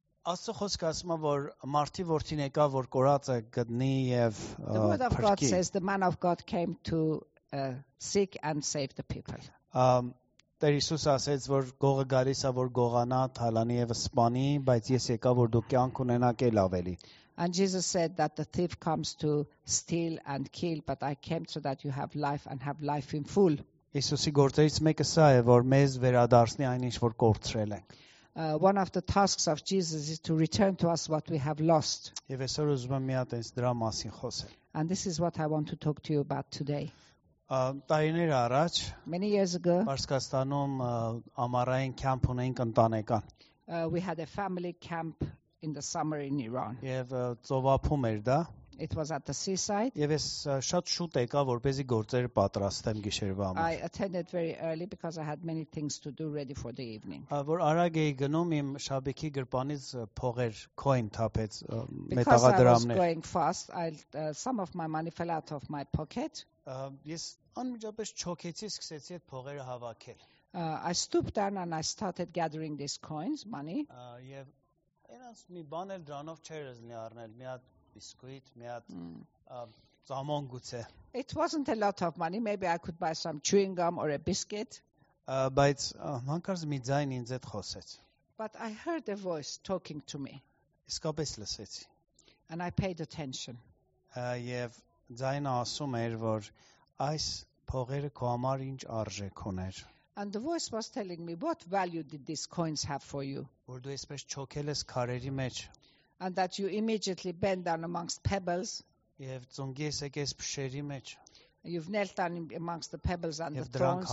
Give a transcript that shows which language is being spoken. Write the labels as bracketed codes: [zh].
[hy] Աստծո խոսքը ասում է, որ մարդի որդին եկա, որ կորածը գտնի եւ փրկի։ [en] The word of God says the man of God came to seek and save the people. [hy] Տեր Հիսուս ասեց, որ գողը գալիս է, որ գողանա, թալանի եւ սպանի, բայց ես եկա, որ դու կյանք ունենաք ել ավելի։ [en] And Jesus said that the thief comes to steal and kill, but I came so that you have life and have life in full. [hy] Հիսուսի գործերից մեկը սա է, որ մեզ վերադարձնի այնինչ, որ կորցրել ենք։ [en] One of the tasks of Jesus is to return to us what we have lost. [hy] Եվ այսօր ուզում եմ մի հատ այս դրա մասին խոսել։ [en] And this is what I want to talk to you about today. [hy] Տարիներ առաջ [en] Many years ago [hy] Պարսկաստանում ամառային կեմփ ունեինք ընտանեկան [en] We had a family camp in the summer in Iran [hy] Եվ ծովափում էր դա [en] It was at the seaside. [hy] Եվես շատ շուտ եկա, որպեսզի գործեր պատրաստեմ գիշերվա համար. [en] I attended very early because I had many things to do ready for the evening. [hy] Որ արագ էի գնում իմ շաբեկի գրպանից փողեր, coin թափեց մետաղադրամներ. [en] Because I was going fast, I some of my money fell out of my pocket. [hy] Ես անմիջապես չոքեցի, սկսեցի այդ փողերը հավաքել. [en] I stooped down and I started gathering these coins, money. [hy] Եվ այնս մի բան էլ դրանով չէր զնի առնել, մի հատ biscuit, մի հատ ծամոն գուցե. [en] It wasn't a lot of money, maybe I could buy some chewing gum or a biscuit. [hy] Բայց հանկարծ մի ձայն ինձ հետ խոսեց. [en] But I heard a voice talking to me. [hy] Իսկապես լսեցի. [en] And I paid attention. [hy] Եվ ձայնը ասում էր, որ այս փողերը քո համար ինչ արժեք ուներ. [en] And the voice was telling me, what value did these coins have for you? And that you immediately bend down amongst pebbles. You've knelt down amongst the pebbles and the thorns.